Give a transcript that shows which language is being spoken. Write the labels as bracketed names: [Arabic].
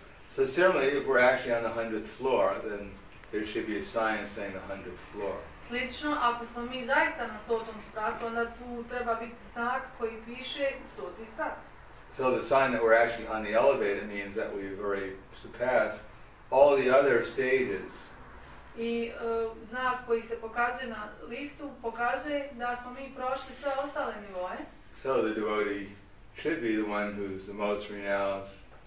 [English] So similarly, if we're actually on the 100th floor, then there should be a sign saying the 100th floor. [Bosnian] Slično, ako smo mi zaista na 100. spratu, onda tu treba biti znak koji piše 100. sprat. [English] So the sign that we're actually on the elevator means that we've already surpassed all the other stages. [Bosnian] I znak koji se pokazuje na liftu pokazuje da smo mi prošli sve ostale nivoje. [English] So the devotee should be the one who's the most renounced.